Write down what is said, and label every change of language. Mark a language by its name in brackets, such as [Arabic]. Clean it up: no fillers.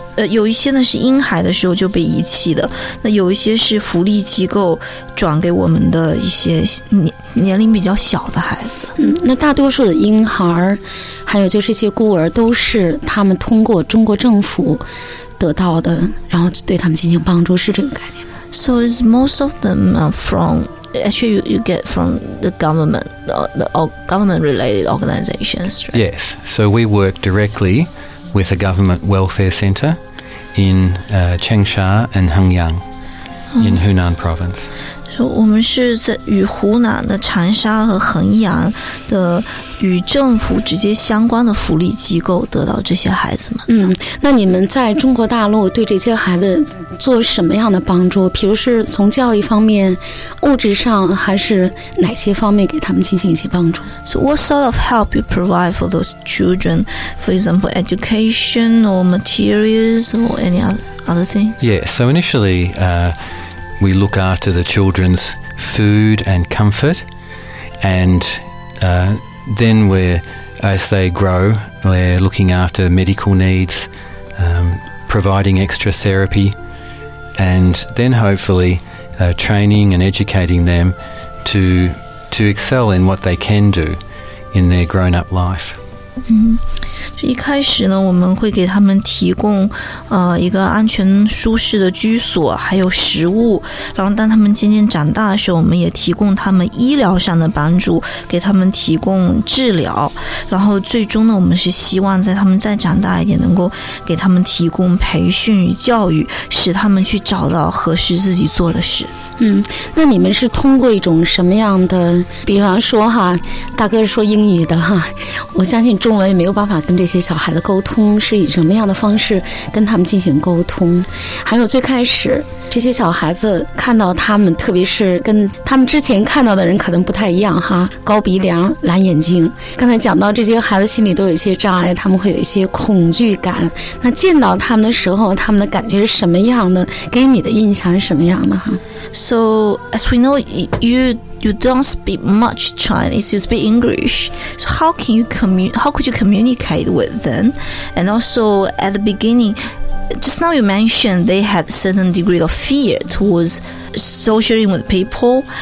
[Chinese] 有一些呢是婴孩的时候就被遗弃的，那有一些是福利机构转给我们的一些年龄比较小的孩子。那大多数的婴孩还有就是一些孤儿都是他们通过中国政府得到的，然后对他们进行帮助，是这个概念吗？ [English] So is most of them from actually you get from the government government related organizations, right? Yes, so we work directly with a government welfare center in Changsha and Hengyang in Hunan province. [Chinese] So 我们是在与湖南的长沙和衡阳的与政府直接相关的福利机构得到这些孩子们。那你们在中国大陆对这些孩子做什么样的帮助？比如是从教育方面、物质上，还是哪些方面给他们进行一些帮助？ [English] So what sort of help you provide for those children? For example, education or materials or any other things? Yeah, so initially, we look after the children's food and comfort, and then as they grow, we're looking after medical needs, providing extra therapy, and then hopefully training and educating them to excel in what they can do in their grown-up life. Mm-hmm. [Chinese] 就一开始呢，我们会给他们提供一个安全舒适的居所，还有食物，然后当他们渐渐长大的时候，我们也提供他们医疗上的帮助，给他们提供治疗，然后最终呢，我们是希望在他们再长大一点能够给他们提供培训与教育，使他们去找到合适自己做的事。那你们是通过一种什么样的，比方说哈，大哥说英语的哈，我相信中文也没有办法跟这些小孩子沟通，是以什么样的方式跟他们进行沟通？还有最开始这些小孩子看到他们，特别是跟他们之前看到的人可能不太一样哈，高鼻梁、蓝眼睛，刚才讲到这些孩子心里都有一些障碍，他们会有一些恐惧感，那见到他们的时候他们的感觉是什么样的，给你的印象是什么样的哈？ [English] So as we know, you don't speak much Chinese, you speak English. So how could you communicate with them? And also at the beginning, just now you mentioned they had a certain degree of fear towards socializing with people.